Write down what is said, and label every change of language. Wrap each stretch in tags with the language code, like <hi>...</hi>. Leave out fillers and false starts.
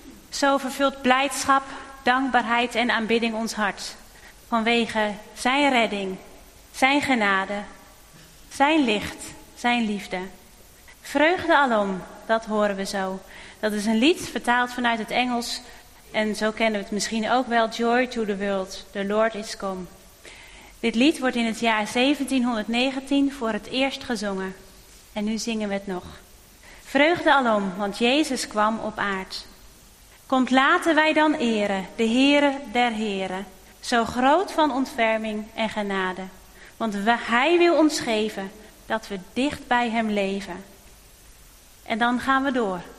<nl>Zo vervult blijdschap, dankbaarheid en aanbidding ons hart. Vanwege zijn redding, zijn genade, zijn licht, zijn liefde. Vreugde alom, dat horen we zo. Dat is een lied vertaald vanuit het Engels. En zo kennen we het misschien ook wel.</nl> <en>Joy to the world, the Lord is come.</en> <nl>Dit lied wordt in het jaar 1719 voor het eerst gezongen. En nu zingen we het nog. Vreugde alom, want Jezus kwam op aard. Komt laten wij dan eren, de Heere der Heren. zo groot van ontferming en genade. Want Hij wil ons geven dat we dicht bij Hem leven. En dan gaan we door.</nl>